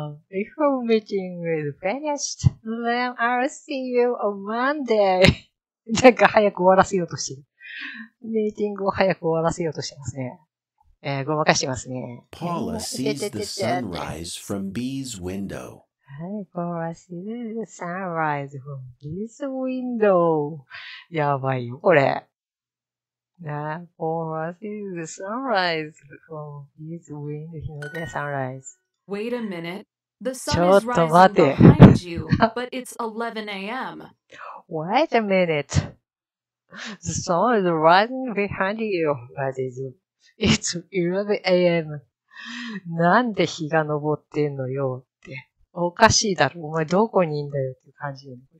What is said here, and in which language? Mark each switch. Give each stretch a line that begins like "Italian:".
English: If our meeting is finished, then I'll see you on Monday.
Japanese: なんか早く終わらせようとしてる。ミーティングを早く終わらせようとしてますね。ごまかしてますね。
English: Paula sees the sunrise from B's window. Paula sees the sunrise from B's window.
Japanese: やばいよ、これ。
English: Paula sees the sunrise from B's window.
Japanese: 日の出 sunrise.
English: Wait a minute. The sun is rising behind you, but it's 11 a.m. Wait a minute. The sun is rising behind you, but it's 11 a.m.
Japanese: なんで日が昇ってんのよって。おかしいだろ。お前どこにいんだよって感じよ。